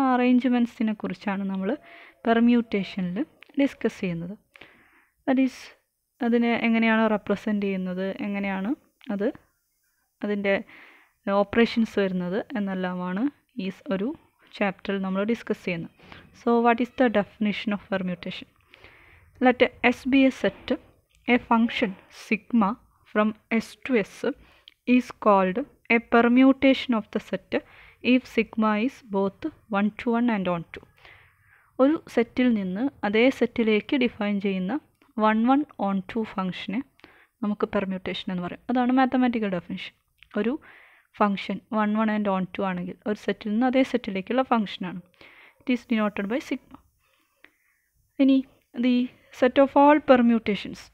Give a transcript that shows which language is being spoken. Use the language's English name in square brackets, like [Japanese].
[Malayalam] ആ അറേഞ്ച്മെൻറ്റ്സിനെ കുറിച്ചാണ് നമ്മൾ പെർമ്യൂട്ടേഷനിൽ ഡിസ്കസ് ചെയ്യുന്നത്. ദാറ്റ് ഈസ് അതിനെ എങ്ങനെയാണ് റെപ്രസെൻ്റ് ചെയ്യുന്നത്, എങ്ങനെയാണ് അത് അതിൻ്റെ ഓപ്പറേഷൻസ് വരുന്നത് എന്നെല്ലാമാണ് ഈ ഒരു ചാപ്റ്ററിൽ നമ്മൾ ഡിസ്കസ് ചെയ്യുന്നത്. [English] So what is the definition of permutation? Let S be a set a function sigma from S to S is called a permutation of the set if sigma is both 1 to 1 and on 2. [Malayalam] ഒരു സെറ്റിൽ നിന്ന് അതേ സെറ്റിലേക്ക് define ചെയ്യുന്ന 1 1 on 2 ഫംഗ്ഷനെ നമുക്ക് permutation എന്ന് പറയും. അതാണ് മാത്തമാറ്റിക്കൽ ഡെഫിനിഷൻ. ഒരു ഫംഗ്ഷൻ 1 1 and on 2 ആണെങ്കിൽ ഒരു സെറ്റിൽ നിന്ന് അതേ സെറ്റിലേക്കുള്ള ഫംഗ്ഷനാണ്. [English] It is denoted by sigma. ഇനി the set of all permutations.